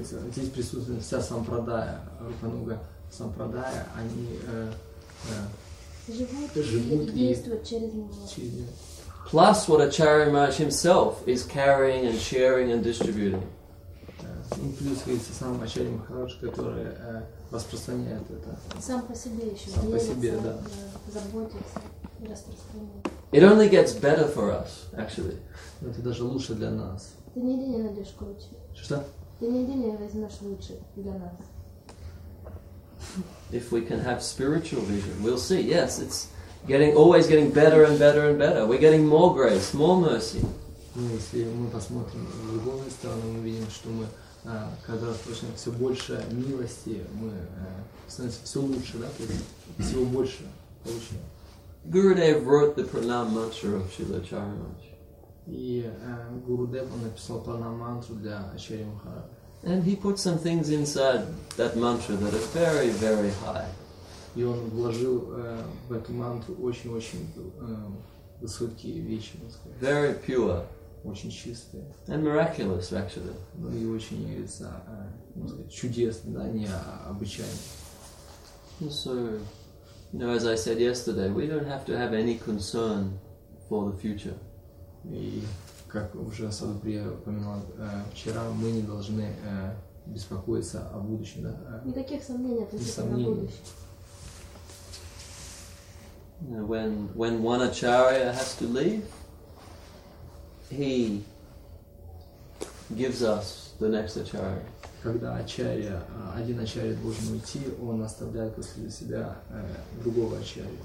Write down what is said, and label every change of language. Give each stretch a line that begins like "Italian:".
Russian: Здесь присутствует вся Сампрадая, Рупануга. Сампрадая, они живут и действуют через него.
English: Plus, what Acharya Maharaj himself is carrying and sharing and distributing.
Russian: Плюс, говорится, сам Ачарья Махарадж, который распространяет это. Сам по себе еще делится, сам по себе, да. Заботится и распространяет.
English: It only gets better for us, actually.
Russian: Это даже лучше для нас. Ты нигде не найдешь круче. Что? Ты нигде не возьмешь лучше для нас.
English: If we can have spiritual vision, we'll see. Yes, it's getting always getting better and better and better. We're getting more grace, more mercy.
Russian: Если мы посмотрим в другую сторону, мы видим, что мы когда получаем все больше милости, мы становимся все лучше, да, то есть всего больше получаем.
English: Gurudev wrote the Pranam Mantra of Srila Acharya Maharaj.
Russian: И Gurudev написал Pranam Mantra для Acharya Maharaj.
English: And he put some things inside that mantra that are very, very high.
Russian: И он вложил в эту мантру очень-очень высокие вещи, можно сказать.
English: Very pure.
Russian: Очень чистые.
English: And miraculous, actually.
Russian: Ну и очень, можно сказать, чудесные, да, необычайные.
English: So, you know, as I said yesterday, we don't have to have any concern for the future.
Russian: Как уже Садхгурия упоминал вчера, мы не должны беспокоиться о будущем. Да? Никаких сомнений относительно будущего.
English: When one acharya has to leave, he gives us the next acharya.
Russian: Когда ачарья, один ачарья должен уйти, он оставляет после себя другого ачарья.